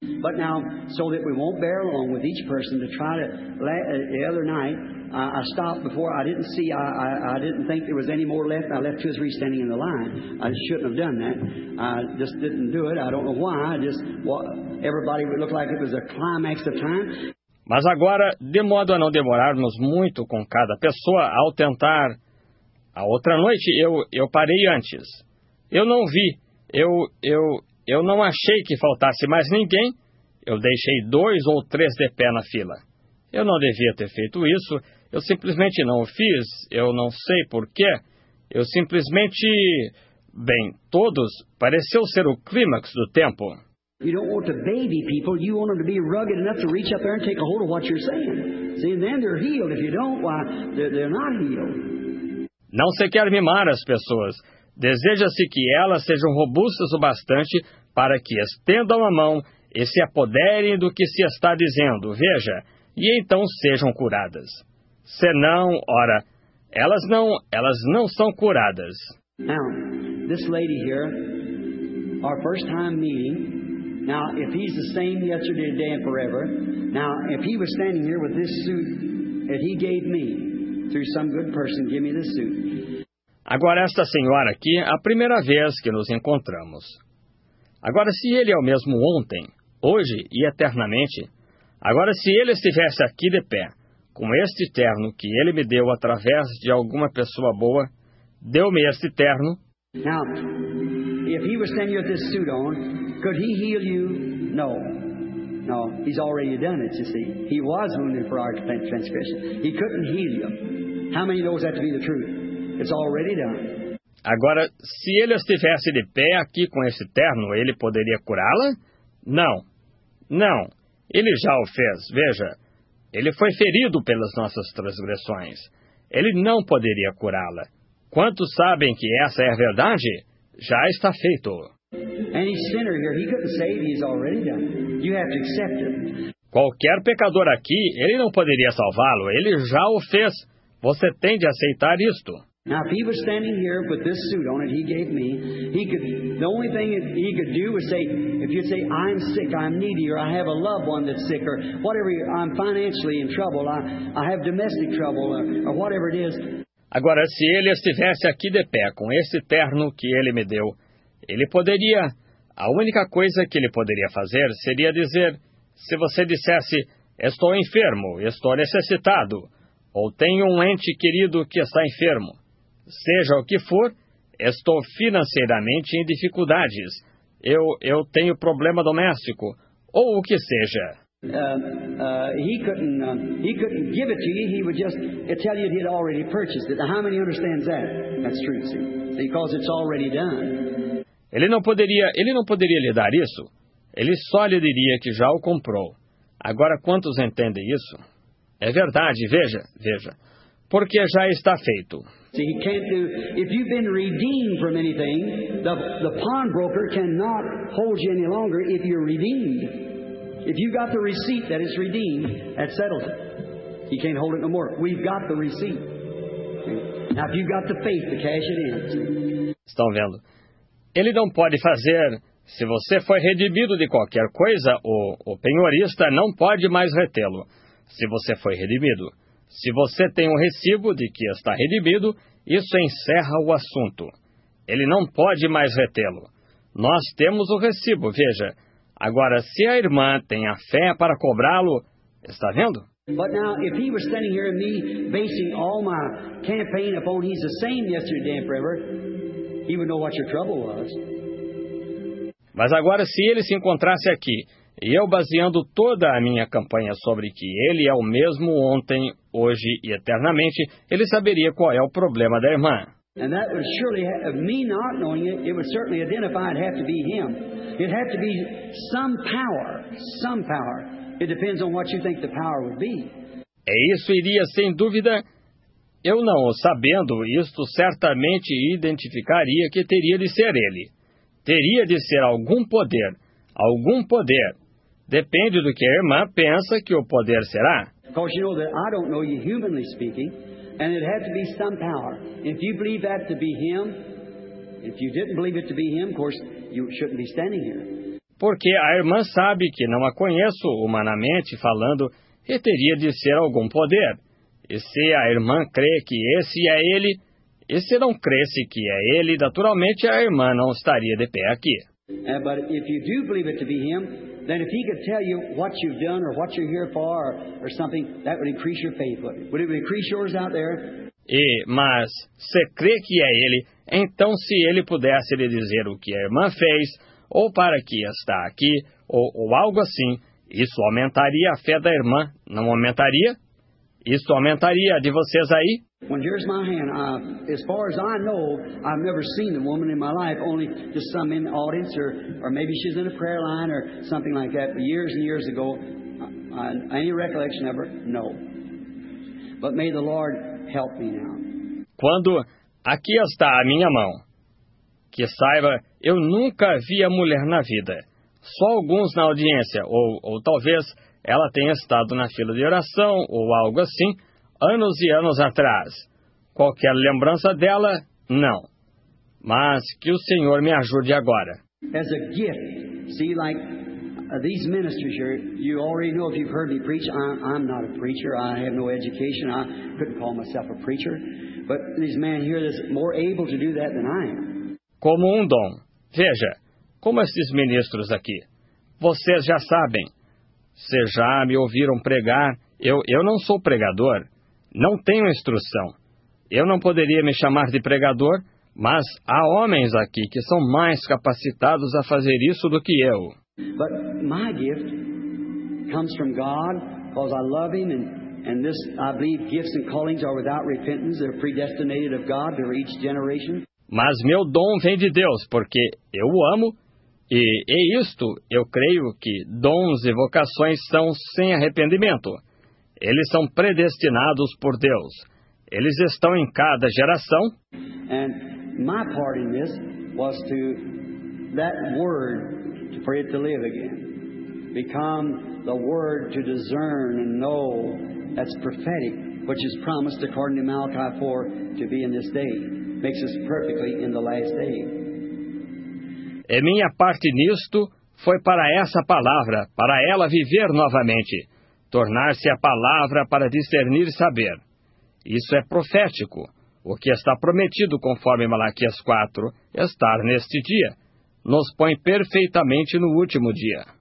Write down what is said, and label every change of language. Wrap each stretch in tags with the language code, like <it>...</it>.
<en>But now, so that we won't bear along with each person to try to, the other night, I stopped before, I didn't see, I didn't think there was any more left, I left two or three standing in the line. I shouldn't have done that, I just didn't do it, I don't know why, I just, everybody would look like it was a climax of time.</en> <pt>Mas agora, de modo a não demorarmos muito com cada pessoa, ao tentar, a outra noite, eu parei antes. Eu não vi, eu não achei que faltasse mais ninguém, eu deixei dois ou três de pé na fila. Eu não devia ter feito isso, eu simplesmente não o fiz, eu não sei porquê, eu simplesmente... Bem, todos, pareceu ser o clímax do tempo.</pt> <en>You don't want to baby people, you want them to be rugged enough to reach up there and take a hold of what you're saying. See, and then they're healed. If you don't, why, they're not healed.</en> <pt>Não se quer mimar as pessoas. Deseja-se que elas sejam robustas o bastante para que estendam a mão e se apoderem do que se está dizendo, veja, e então sejam curadas. Senão, ora, elas não são curadas.</pt> <en>Now, this lady here, our first time meeting. Now, if he's the same yesterday, today, and forever, now, if he was standing here with this suit that he gave me, through some good person, give me this suit.</en> <pt>Agora, esta senhora aqui, a primeira vez que nos encontramos. Agora, se ele é o mesmo ontem, hoje e eternamente, agora, se ele estivesse aqui de pé, com este terno que ele me deu através de alguma pessoa boa, deu-me este terno.</pt> <en>Now, if he was standing here with this suit on, could he heal you? No. No, he's already done it, you see. He was wounded for our transgression. He couldn't heal you. How many knows that to be the truth? It's already done.</en> <pt>Agora, se ele estivesse de pé aqui com esse terno, ele poderia curá-la? Não. Não. Ele já o fez. Veja, ele foi ferido pelas nossas transgressões. Ele não poderia curá-la. Quantos sabem que essa é a verdade? Já está feito.</pt> <en>Any sinner here, he couldn't save you, he's already done. You have to accept it.</en> <pt>Qualquer pecador aqui, ele não poderia salvá-lo, ele já o fez. Você tem de aceitar isto.</pt> <en>Now, if he was standing here with this suit on it he gave me, he could, the only thing he could do was say, if you say, I'm sick, I'm needy, or I have a loved one that's sick, or whatever, I'm financially in trouble, I have domestic trouble, or whatever it is.</en> <pt>Agora, se ele estivesse aqui de pé com esse terno que ele me deu, ele poderia, a única coisa que ele poderia fazer seria dizer, se você dissesse, estou enfermo, estou necessitado, ou tenho um ente querido que está enfermo, seja o que for, estou financeiramente em dificuldades, eu tenho problema doméstico, ou o que seja.</pt> <en>He couldn't give it to you, he would just tell you he'd already purchased it. How many understands that? That's true, see, because it's already done.</en> <pt>Ele não poderia lhe dar isso. Ele só lhe diria que já o comprou. Agora, quantos entendem isso? É verdade, veja. Porque já está feito.</pt> <en>See, he can't do, if you've been redeemed from anything, the pawnbroker cannot hold you any longer if you're redeemed. If you've got the receipt that is redeemed, that settles it. He can't hold it no more. We've got the receipt. Now, if you've got the faith to cash it in. See.</en> <pt>Estão vendo? Ele não pode fazer, se você foi redimido de qualquer coisa, o penhorista não pode mais retê-lo, se você foi redimido. Se você tem um recibo de que está redimido Isso encerra o assunto. Ele não pode mais retê-lo. Nós temos o recibo, veja. Agora, se a irmã tem a fé para cobrá-lo, está vendo?</pt> <en>But now, if he was standing here and me basing all my campaign upon he's the same yesterday and forever, he would know what your trouble was.</en> <pt>Mas agora, se ele se encontrasse aqui, e eu baseando toda a minha campanha sobre que ele é o mesmo ontem, hoje e eternamente, ele saberia qual é o problema da irmã.</pt> <en>And that would surely, me not knowing it, it would certainly identify it had to be him. It had to be some power, some power. It depends on what you think the power would be.</en> <pt>E isso iria, sem dúvida, eu não, sabendo isto, certamente identificaria que teria de ser ele. Teria de ser algum poder, algum poder. Depende do que a irmã pensa que o poder será.</pt> <en>Because you know that I don't know you humanly speaking, and it had to be some power. If you believe that to be him, if you didn't believe it to be him, of course, you shouldn't be standing here.</en> <pt>Porque a irmã sabe que não a conheço humanamente falando, e teria de ser algum poder. E se a irmã crê que esse é ele, e se não cresse que é ele, naturalmente a irmã não estaria de pé aqui.</pt> <en>But if you do believe it to be him, then if he could tell you what you've done or what you're here for or something, that would increase your faith. Would it increase yours out there?</en> <pt>E, mas, se crê que é ele, então se ele pudesse lhe dizer o que a irmã fez, ou para que está aqui, ou algo assim, isso aumentaria a fé da irmã, não aumentaria? Isso aumentaria a de vocês aí?</pt> <en>When here's my hand, as far as I know, I've never seen the woman in my life, only just some in the audience, or maybe she's in a prayer line, or something like that, but years and years ago, any recollection of her? No. But may the Lord help me now.</en> <pt>Quando aqui está a minha mão, que saiba, eu nunca vi a mulher na vida, só alguns na audiência, ou talvez ela tenha estado na fila de oração, ou algo assim, anos e anos atrás. Qualquer lembrança dela, não. Mas que o Senhor me ajude agora.</pt> <en>As a gift, see, like these ministers here, you already know if you've heard me preach, I'm not a preacher, I have no education, I couldn't call myself a preacher, but this man here is more able to do that than I am.</en> <pt>Como um dom. Veja, como esses ministros aqui. Vocês já sabem. Vocês já me ouviram pregar. Eu não sou pregador. Não tenho instrução. Eu não poderia me chamar de pregador, mas há homens aqui que são mais capacitados a fazer isso do que eu.</pt> <en>But my gift comes from God, because I love him, and this, I believe, gifts and callings are without repentance. They're predestinated of God to each generation.</en> <pt>Mas meu dom vem de Deus, porque eu o amo, e isto eu creio que dons e vocações são sem arrependimento. Eles são predestinados por Deus. Eles estão em cada geração.</pt> <en>And my part in this was to that word for it to live again. Become the word to discern and know that's prophetic, which is promised according to Malachi 4 to be in this day. Makes us perfectly in the last day.</en> <pt>E minha parte nisto foi para essa palavra, para ela viver novamente, tornar-se a palavra para discernir e saber. Isso é profético, o que está prometido conforme Malaquias 4, estar neste dia, nos põe perfeitamente no último dia.</pt>